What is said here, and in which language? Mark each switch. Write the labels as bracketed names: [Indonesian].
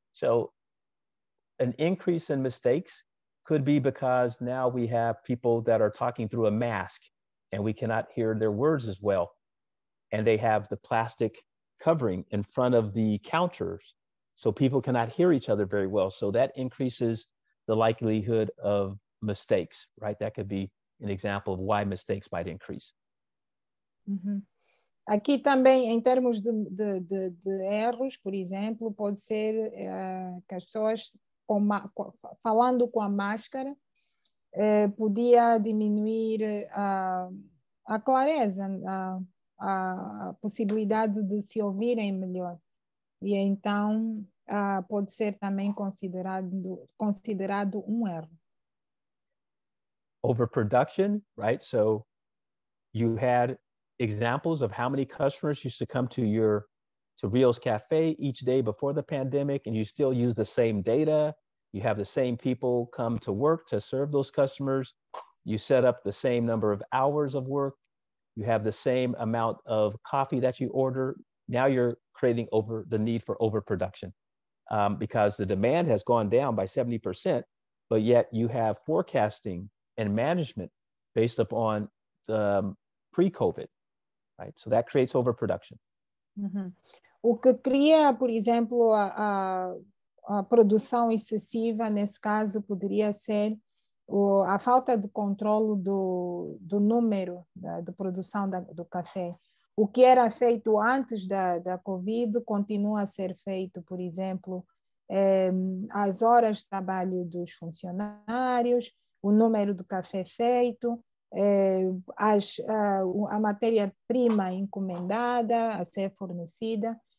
[English] So an increase in mistakes could be because now we have people that are talking through a mask and we cannot hear their words as well. And they have the plastic covering in front of the counters. So people cannot hear each other very well. So that increases the likelihood of mistakes, right? That could be an example of why mistakes might increase. Mm-hmm. [Portuguese] Aqui também, em termos de erros, por exemplo, pode ser que as pessoas falando com a máscara, podia diminuir a clareza, a possibilidade de se ouvirem melhor. E então pode ser também considerado um erro. [English] Overproduction, right? So you had examples of how many customers used to come to to Rio's Cafe each day before the pandemic, and you still use the same data. You have the same people come to work to serve those customers. You set up the same number of hours of work. You have the same amount of coffee that you order. Now you're creating the need for overproduction because the demand has gone down by 70%, but yet you have forecasting and management based upon the pre-COVID, right? So that creates overproduction. [Portuguese] Mm-hmm. O que cria, por exemplo, a produção excessiva, nesse caso, poderia ser a falta de controle do número de produção do café. O que era feito antes da COVID continua a ser feito, por exemplo, as horas de trabalho dos funcionários, o número do café feito, a matéria-prima encomendada a ser fornecida.